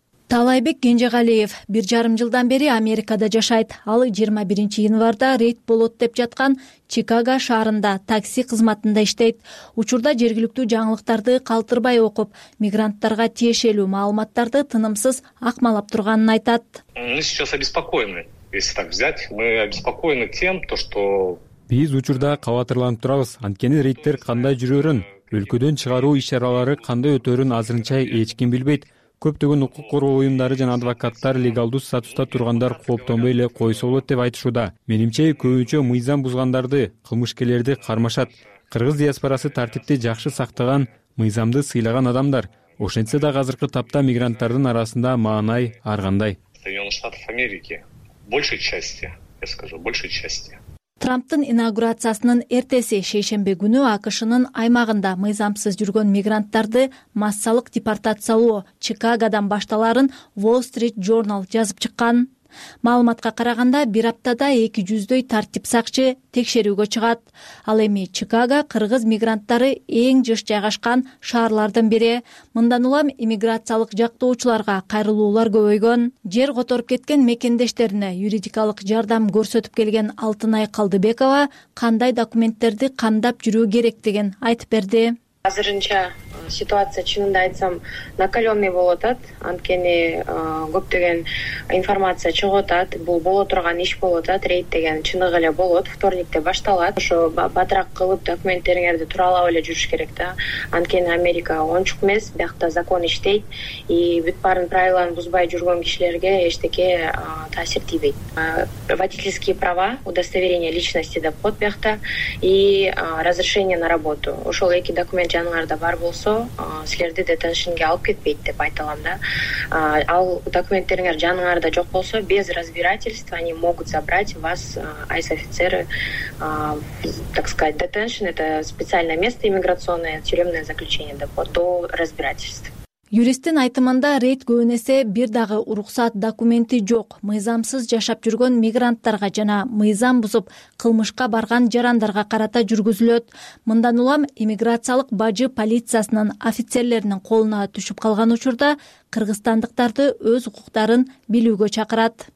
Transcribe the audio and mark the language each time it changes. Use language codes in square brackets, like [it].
[ky] Талайбек Кенжегалиев 1.5 жылдан бери Америкада жашайт. Ал 21 январда рейд болот деп жаткан Чикаго шаарында такси кызматында иштейт. Учурда жергиликтүү жаңылыктарды калтырбай окуп, мигранттарга тиешелүү маалыматтарды тынымсыз акмалап турганын айтат. [ru] Мы сейчас обеспокоены, если так взять. Мы обеспокоены тем, что... [ky] Биз учурда кабатырланып турабыз, анткени рейдтер кандай жүрөрүн, өлкөдөн чыгаруу иш-чаралары кандай өтөрүн азырынча эч ким билбейт. Көптөгөн укук коргоо уюмдары жана адвокаттар легалдуу статуста тургандар кооптонбой эле койсо болот деп айтышууда. Менимче, көбүнчө мыйзам бузгандарды, кылмышкерлерди кармашат. Кыргыз диаспорасы тартипти жакшы сактаган, мыйзамды сыйлаган адамдар. Ошентсе да азыркы тапта мигранттардын арасында маанай ар кандай. [ru] Соединенных Штатов Америки. Большей части, я скажу, большей части. [ky] Трамптын инаугурациясынын эртеси шейшемби күнү АКШнын аймагында мыйзамсыз жүргөн мигранттарды массалык депортациялоо Чикагодон башталарын Wall Street Journal жазып чыккан. Маалыматка караганда, бир аптада 200-дөй тартип сакчы текшерүүгө чыгат. Ал эми Чикаго кыргыз мигранттары эң жыш жайгашкан шаарлардын бири. Мындан улам иммиграциялык жактоочуларга кайрылуулар көбөйгөн. Жер которуп кеткен мекендештерине юридикалык жардам көрсөтүп келген Алтынай Калдыбекова кандай документтерди кандап жүрүү керектигин айтып берди. Азырынча ситуация, чынында айтсам, накаленный болуп атат. Анткени көптөгөн информация чыгып атат. Бул боло турган иш болуп атат. Рейд деген чыныгы эле болот. Вторникте башталат. Ошо батырак кылып документтериңерди тууралап эле жүрүш керек да. Анткени Америка ончук эмес, биякта закон иштейт. И бүт баарын правиланы бузбай жүргөн кишилерге эчтеке таасир тийбейт. [ru] Водительские права, удостоверение личности [ky] деп коет биякта. [ru] И разрешение на работу. [ky] Ошол эки документ жаныңарда бар болсо, силерди детеншинге алып кетпейт деп айта алам да. Ал документтериңер жаныңарда жок болсо, [ru] без разбирательства они могут забрать вас, айс офицеры, так сказать, детеншин, это специальное место иммиграционное, тюремное заключение [ky] деп коет, [ru] до разбирательства. [ky] Юристтин айтымында рейд көбүнесе бир дагы уруксат документи жок, мыйзамсыз жашап жүргөн мигранттарга жана мыйзам бузуп кылмышка барган жарандарга карата жүргүзүлөт. Мындан улам иммиграциялык бажы полициясынын офицерлеринин колуна түшүп калган учурда кыргызстандыктарды өз укуктарын билүүгө чакырат.